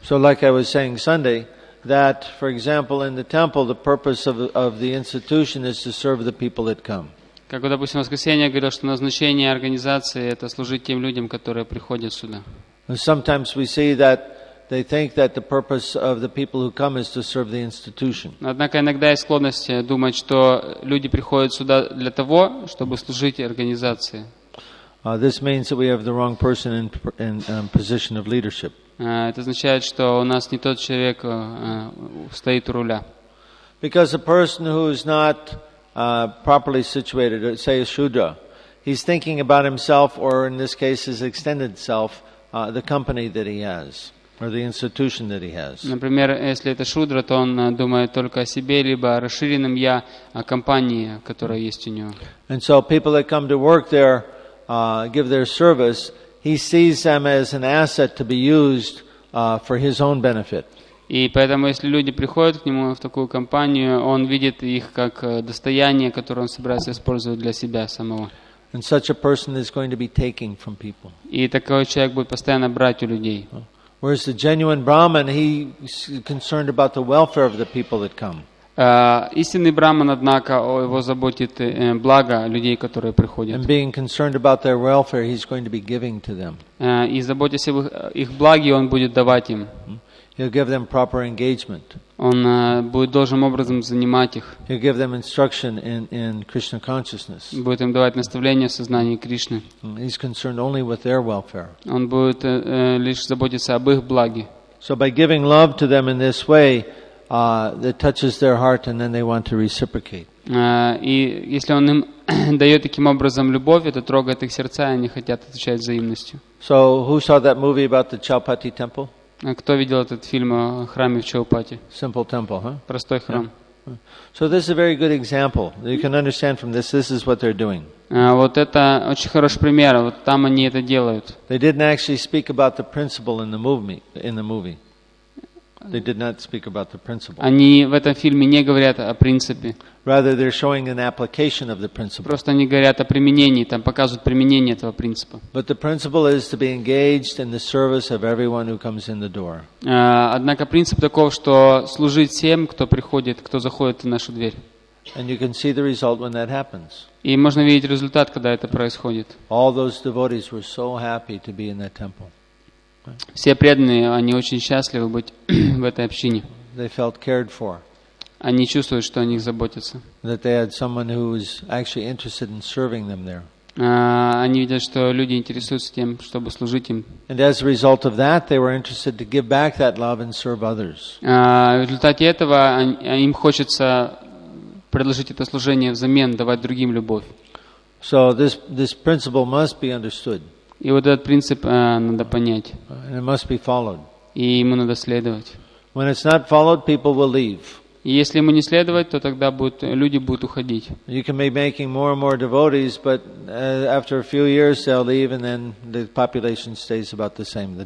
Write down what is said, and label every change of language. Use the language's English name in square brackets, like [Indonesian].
[English] So like I was saying Sunday, that, for example, in the temple, the purpose of the institution is to serve the people that come. [Russian] Как, допустим, воскресенье говорил, что назначение организации это служить тем людям, которые приходят сюда. [English] Sometimes we see that they think that the purpose of the people who come is to serve the institution. [Russian] Однако иногда есть склонность думать, что люди приходят сюда для того, чтобы служить организации. [English] This means that we have the wrong person in position of leadership. [Russian] Это означает, что у нас не тот человек стоит у руля. [English] Because a person who is not properly situated, say a shudra, he's thinking about himself or in this case his extended self, the company that he has or the institution that he has. [Russian] Например, если это шудра, то он думает только о себе либо о расширенном я, о компании, которая есть у него. [English] And so people that come to work there, give their service, he sees them as an asset to be used for his own benefit. [Russian] И поэтому, если люди приходят к нему в такую компанию, он видит их как достояние, которое он собирается использовать для себя самого. [English] And such a person is going to be taking from people. [Russian] И такой человек будет постоянно брать у людей. [English] Whereas the genuine Brahman, he is concerned about the welfare of the people that come. [Russian] Истинный Брахман, однако, о его заботит благо людей, которые приходят. [English] And being concerned about their welfare, he's going to be giving to them. [Russian] И заботясь об их благе, он будет давать им. [English] He'll give them proper engagement. [Russian] Он будет должным образом занимать их. [English] He'll give them instruction in Krishna consciousness. [Russian] Будет им давать наставления в сознании Кришны. [English] He's concerned only with their welfare. [Russian] Он будет лишь заботиться об их благе. [English] So by giving love to them in this way, that touches their heart and then they want to reciprocate. [Russian] И если он им дает таким образом любовь, это трогает их сердца, и они хотят отвечать взаимностью. [English] So who saw that movie about the Chaupati temple? [Russian] Кто видел этот фильм о храме в Чаупати? [English] Simple temple, huh? [Russian] Простой храм. Yeah. [English] So this is a very good example. You can understand from this is what they're doing. [Russian] Вот это очень хороший пример. Вот там они это делают. [English] They didn't actually speak about the principle in the movie. They did not speak about the principle. [Russian] Они в этом фильме не говорят о принципе. [English] Rather, they're showing an application of the principle. [Russian] Просто они говорят о применении, там показывают применение этого принципа. [English] But the principle is to be engaged in the service of everyone who comes in the door. [Russian] Однако принцип таков, что служить всем, кто приходит, кто заходит в нашу дверь. [English] And you can see the result when that happens. [Russian] И можно видеть результат, когда это происходит. [English] All those devotees were so happy to be in that temple. [Russian] Все преданные, они очень счастливы быть в этой общине. [English] They felt cared for. [Russian] Они чувствуют, что о них заботятся. [English] That they had someone who was actually interested in serving them there. [Russian] Они видят, что люди интересуются тем, чтобы служить им. [English] And as a result of that, they were interested to give back that love and serve others. [Russian] В результате этого им хочется предложить это служение взамен, давать другим любовь. [English] So this principle must be understood. [Russian] И вот этот принцип надо понять. [English] And it must be followed. [Russian] И ему надо следовать. [English] When it's not followed, people will leave. [Russian] Если ему не следовать, то тогда будут, люди будут уходить. [English] You can be making more and more devotees, but after a few years they'll leave, and then the population stays about the same.